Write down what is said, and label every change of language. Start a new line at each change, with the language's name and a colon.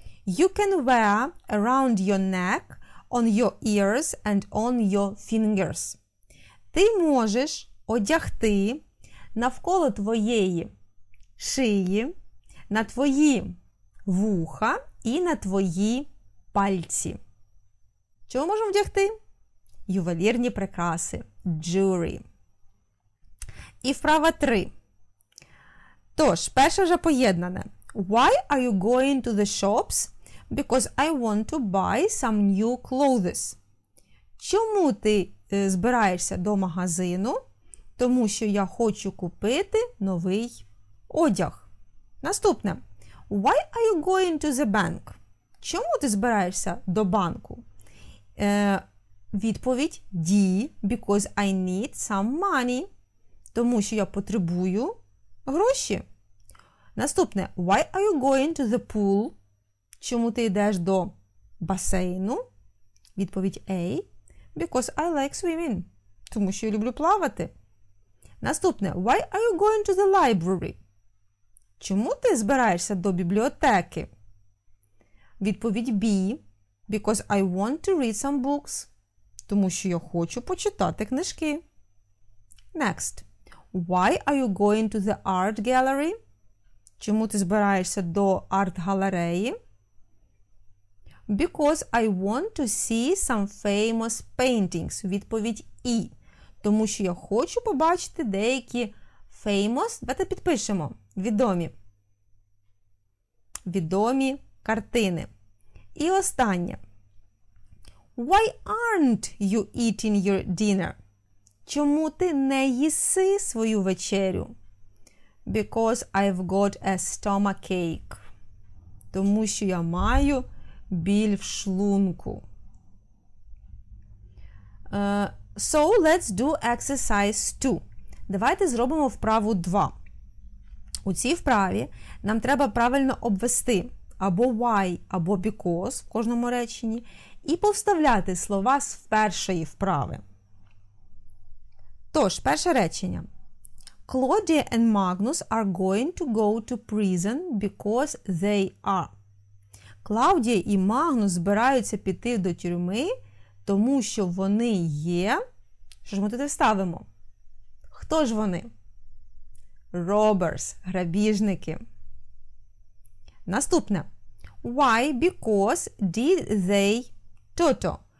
English: You can wear around your neck, on your ears and on your fingers.
Ukrainian: Ти можеш одягти навколо твоєї шиї, на твої вуха і на твої пальці. Чого можемо вдягти? Ювелірні прикраси. Jewelry. І вправа 3. Тож, перше вже поєднане.
English: Why are you going to the shops? Because I want to buy some new clothes.
Ukrainian: Чому ти збираєшся до магазину? Тому що я хочу купити новий одяг. Наступне.
English: Why are you going to the bank?
Ukrainian: Чому ти збираєшся до банку? Відповідь.
English: D. Because I need some money.
Ukrainian: Тому що я потребую гроші. Наступне.
English: Why are you going to the pool?
Ukrainian: Чому ти йдеш до басейну? Відповідь.
English: A. Because I like swimming.
Ukrainian: Тому що я люблю плавати. Наступне.
English: Why are you going to the library?
Ukrainian: Чому ти збираєшся до бібліотеки? Відповідь
English: B. Because I want to read some books.
Ukrainian: Тому що я хочу почитати книжки.
English: Next. Why are you going to the art gallery?
Ukrainian: Чому ти збираєшся до арт-галереї?
English: Because I want to see some famous paintings.
Ukrainian: Відповідь E. Тому що я хочу побачити деякі famous, давайте підпишемо, відомі. Відомі картини. І останнє.
English: Why aren't you eating your dinner?
Ukrainian: Чому ти не їси свою вечерю?
English: Because I've got a stomachache.
Ukrainian: Тому що я маю біль в шлунку.
English: So let's do exercise 2.
Ukrainian: Давайте зробимо вправу 2. У цій вправі нам треба правильно обвести або why, або because в кожному реченні і повставляти слова з першої вправи. Тож, перше речення.
English: Claudia and Magnus are going to go to prison because they are.
Ukrainian: Клаудія і Магнус збираються піти до тюрми, тому що вони є. Що ж ми туди вставимо? Хто ж вони? Robbers, грабіжники. Наступне.
English: Why, because, did they, Toto?